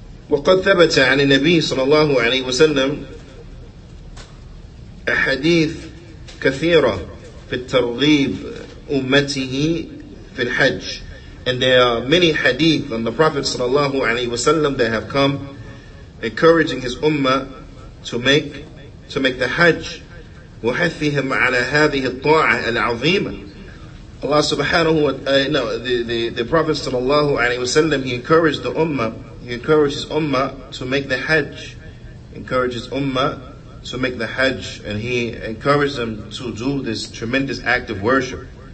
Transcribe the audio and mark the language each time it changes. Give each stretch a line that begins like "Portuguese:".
Arabic: وقد ثبت عن النبي صلى الله عليه وسلم أحاديث كثيرة في الترغيب أمته في الحج.
English: And there are many hadith on the Prophet صلى الله عليه وسلم that have come encouraging his ummah to make the Hajj.
Arabic: وحثهم على هذه الطاعة العظيمة.
English: Allah subhanahu wa ta'ala, the Prophet sallallahu alayhi wa sallam, he encouraged his ummah to make the Hajj, and he encouraged them to do this tremendous act of worship.